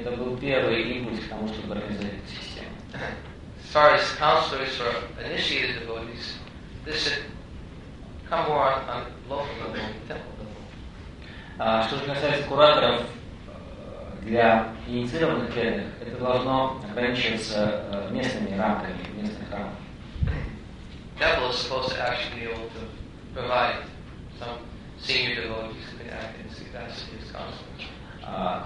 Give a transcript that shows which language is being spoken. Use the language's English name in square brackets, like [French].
[Russian] это был первый импульс к тому, чтобы организовать эту систему. [English] As far as counselors or initiated devotees, this should come more on local level, temple level. [Russian] Что же касается кураторов, для инициированных преданных это должно ограничиваться местными рамками, местных рамок. [English] Temple is supposed to actually be able to provide some senior devotees to act in capacity as counselors.